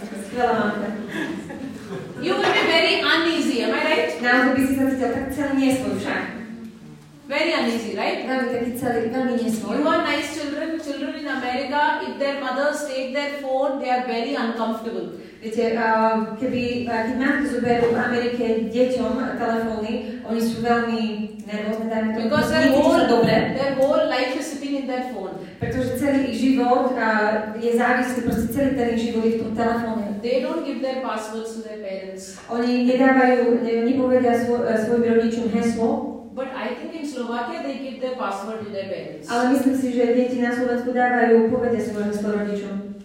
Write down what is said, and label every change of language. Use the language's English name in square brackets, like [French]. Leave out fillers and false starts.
[Slovak] Skvelá mamka. [English] You will be very uneasy, am I right? [Slovak] Na to by si sa chcel tak celý nesvoj však. [English] Very uneasy, right? [Slovak] Na to by si celý veľmi nesvoj. [English] You are nice children, children in America, if their mothers take their phone, they are very uncomfortable. [Slovak] Viete, keď matky zoberú v Amerike deťom telefóny, oni sú veľmi nervózne, dajme to. [English] Because their whole life is sitting in their phone. [Slovak] Pretože celý ich život je závislý, proste celý ten ich život je v tom telefóne. [English] They don't give their passwords to their parents. [Slovak] Oni nedávajú, nepovedia svojim rodičom heslo. [English] But I think in Slovakia they give their password to their parents. [Slovak] Ale myslím si, že deti na Slovensku dávajú, povedia svojim heslo rodičom.